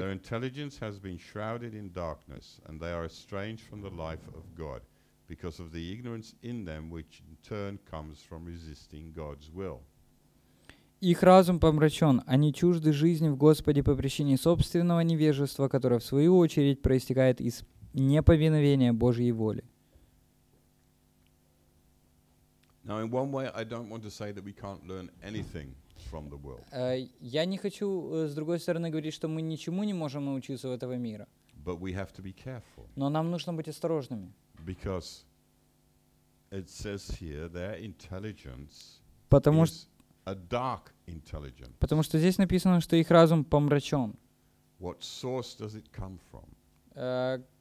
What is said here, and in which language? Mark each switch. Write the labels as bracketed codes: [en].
[en] Their intelligence has been shrouded in darkness, and they are estranged from the life of God because of the ignorance in them, which in turn comes from resisting God's will. [ru] Их разум помрачен, они чужды жизни в Господе по причине собственного невежества, которое в свою очередь проистекает из неповиновения Божьей воли. [en] Now, in one way, I don't want to say that we can't learn anything. From the world. [ru] Я не хочу, с другой стороны, говорить, что мы ничему не можем научиться у этого мира. [en] But we have to be careful. [ru] Но нам нужно быть осторожными. [en] Because it says here their intelligence [ru] потому [en] is a dark intelligence. [ru] Потому что здесь написано, что их разум помрачен. [en] What source does it come from?